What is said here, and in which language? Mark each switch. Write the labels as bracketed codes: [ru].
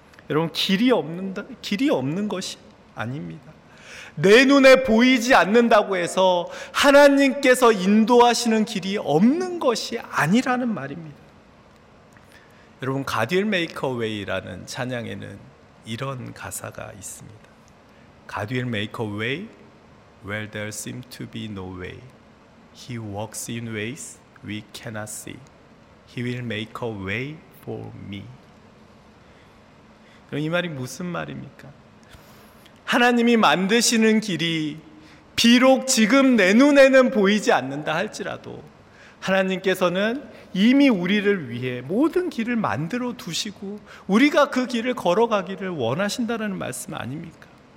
[ko] 여러분, 길이 없는 것이 아닙니다. 내 눈에 보이지 않는다고 해서 하나님께서 인도하시는 길이 없는 것이 아니라는 말입니다. 여러분, [en] 'God will make a way'라는 [ko] 찬양에는 이런 가사가 있습니다. [en] God will make a way where there seems to be no way. He walks in ways we cannot see. He will make a way for me. [ko] 그럼 이 말이 무슨 말입니까? 하나님이 만드시는 길이 비록 지금 내 눈에는 보이지 않는다 할지라도 하나님께서는 이미 우리를 위해 모든 길을 만들어 두시고 우리가 그 길을 걸어가기를 원하신다는 말씀 아닙니까?